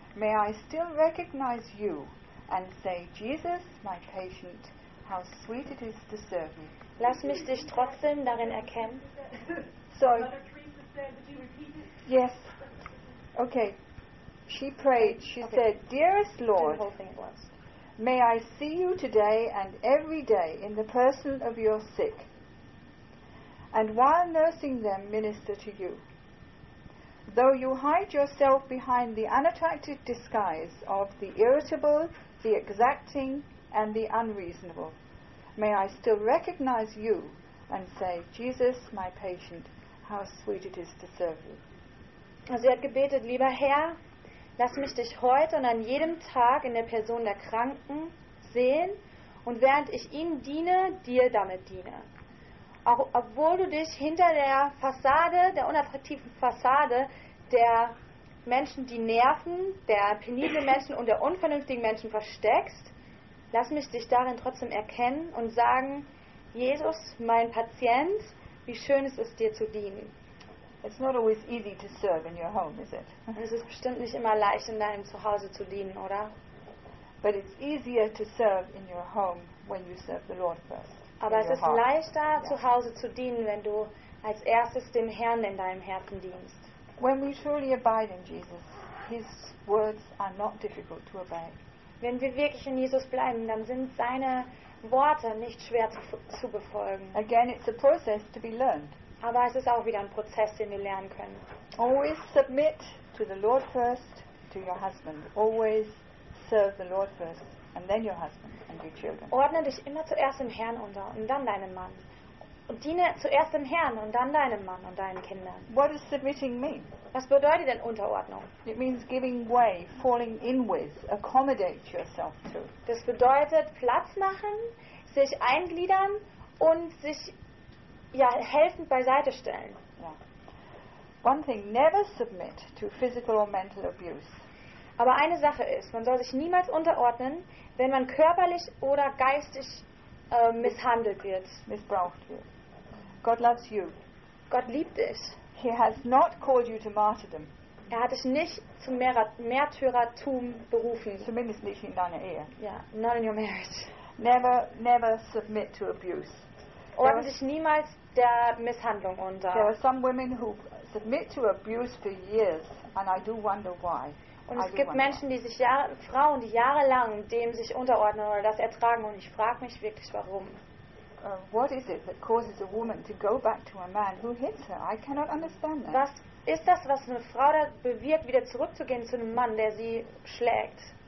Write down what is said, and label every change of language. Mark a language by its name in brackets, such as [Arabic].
[English] May I still recognize you and say, Jesus, my patient, how sweet it is to serve you. [German] Lass mich dich trotzdem darin erkennen. [English] So, yes, okay, she prayed, she okay. Said, dearest Lord, may I see you today and every day in the person of your sick. and while nursing them minister to you. Though you hide yourself behind the unattractive disguise of the irritable, the exacting, and the unreasonable, may I still recognize you and say, Jesus, my patient, how sweet it is to serve you. [German] Also er hat gebetet, lieber Herr, lass mich dich heute und an jedem Tag in der Person der Kranken sehen und während ich ihnen diene, dir damit diene. Auch obwohl du dich hinter der Fassade, der unattraktiven Fassade der Menschen, die nerven, der penible Menschen und der unvernünftigen Menschen versteckst, lass mich dich darin trotzdem erkennen und sagen, Jesus, mein Patient, wie schön es ist, dir zu dienen. [English] It's not always easy to serve in your home, is it? [German] Es ist bestimmt nicht immer leicht, in deinem Zuhause zu dienen, oder? [English] But it's easier to serve in your home when you serve the Lord first. [German] Aber es ist leichter, zu Hause zu dienen, wenn du als erstes dem Herrn in deinem Herzen dienst. [English] When we truly abide in Jesus, his words are not difficult to obey. [German] Wenn wir wirklich in Jesus bleiben, dann sind seine Worte nicht schwer zu befolgen. [English] Again, it's a process to be learned. [German] Aber es ist auch wieder ein Prozess, den wir lernen können. [English] Always submit to the Lord first, to your husband. Always serve the Lord first, and then your husband and your children. [German] Ordne dich immer zuerst dem Herrn unter und dann deinem Mann. Und diene zuerst dem Herrn und dann deinem Mann und deinen Kindern. [English] What does submitting mean? [German] Was bedeutet denn Unterordnung? [English] It means giving way, falling in with, accommodate yourself to. [German] Das bedeutet Platz machen, sich eingliedern und sich helfend beiseite stellen. [English] Yeah. One thing, never submit to physical or mental abuse. [German] Aber eine Sache ist, man soll sich niemals unterordnen, wenn man körperlich oder geistig misshandelt wird. Missbraucht wird. [English] God loves you. [German] Gott liebt dich. [English] He has not called you to martyrdom. [German] Er hat dich nicht zum Märtyrertum berufen. Zumindest nicht in deiner Ehe. [English] Yeah, not in your marriage. Never submit to abuse. [German] Ordne dich niemals der Misshandlung unter. [English] There are some women who submit to abuse for years, and I do wonder why. [German] Und es gibt Menschen, die sich Frauen, die jahrelang dem sich unterordnen oder das ertragen, und ich frage mich wirklich, warum. [English] What is it that causes a woman to go back to a man who hits her? I cannot understand that. [German] Was ist das, was eine Frau da bewirkt, wieder zurückzugehen zu einem Mann, der sie schlägt?